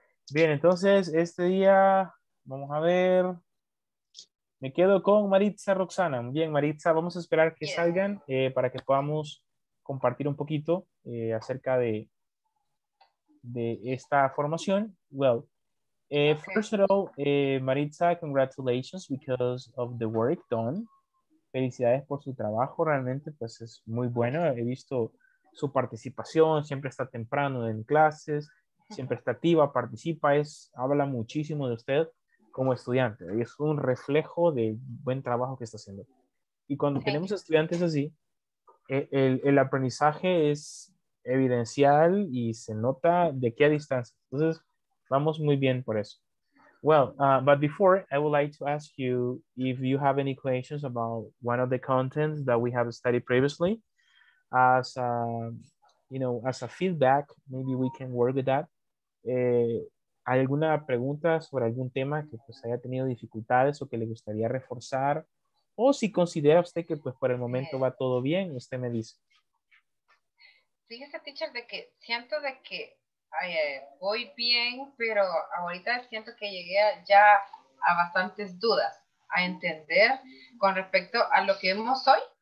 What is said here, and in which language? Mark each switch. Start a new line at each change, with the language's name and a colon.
Spanish: Bien, entonces, este día, vamos a ver... Me quedo con Maritza Roxana. Bien, Maritza, vamos a esperar que salgan para que podamos compartir un poquito acerca de esta formación.
English: Well, first of all, Maritza, congratulations because of the work done.
Spanish: Felicidades por su trabajo, realmente, pues es muy bueno. He visto su participación, siempre está temprano en clases, siempre está activa, participa, habla muchísimo de usted como estudiante, y es un reflejo del buen trabajo que está haciendo. Y cuando tenemos estudiantes así, el aprendizaje es evidencial y se nota de qué a distancia. Entonces, vamos muy bien por eso.
English: Well, but before, I would like to ask you if you have any questions about one of the contents that we have studied previously. As, you know, as a feedback, maybe we can work with that.
Spanish: ¿Alguna pregunta sobre algún tema que pues haya tenido dificultades o que le gustaría reforzar? O si considera usted que pues por el momento va todo bien, usted me dice. Fíjese, teacher, de que siento de que voy bien, pero ahorita siento que llegué ya a bastantes dudas a entender con respecto a lo que vemos hoy.